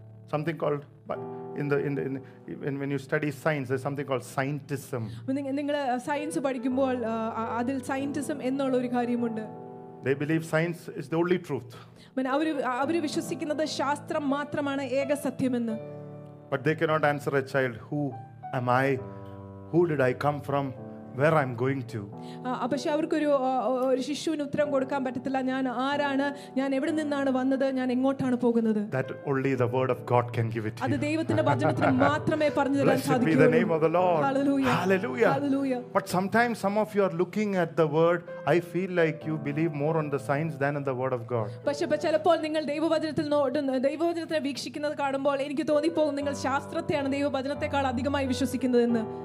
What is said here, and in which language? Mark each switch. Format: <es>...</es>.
<en>Something called when you study science, there's something called scientism. They believe science is the only truth. But they cannot answer a child, who am I? Who did I come from? Where I'm going to.</en> <ml>പക്ഷെ അവർക്ക് ഒരു ഒരു ശിശുവിന് ഉത്തരം കൊടുക്കാൻ പറ്റത്തില്ല. ഞാൻ ആരാണ്, ഞാൻ എവിടെ നിന്നാണ് വന്നത്, ഞാൻ എങ്ങോട്ടാണ് പോകുന്നത്.</ml> <en>That only the word of God can give it to you.</en> <ml>അത് ദൈവത്തിന്റെ വചനത്തിൽ മാത്രമേ പറഞ്ഞു തരാൻ സാധിക്കൂ.</ml> <en>Blessed be the name of the Lord. Hallelujah. Hallelujah. Hallelujah. But sometimes some of you are looking at the word, I feel like you believe more on the science than on the word of God.</en> <ml>പക്ഷെ ചിലപ്പോൾ നിങ്ങൾ ദൈവവചനത്തിൽ നോക്കുന്ന ദൈവവചനത്തെ വീക്ഷിക്കുന്നത് കാണുമ്പോൾ എനിക്ക് തോന്നി പോകും നിങ്ങൾ ശാസ്ത്രത്തെയാണ് ദൈവവചനത്തെക്കാൾ അധികമായി വിശ്വസിക്കുന്നത് എന്ന്.</ml>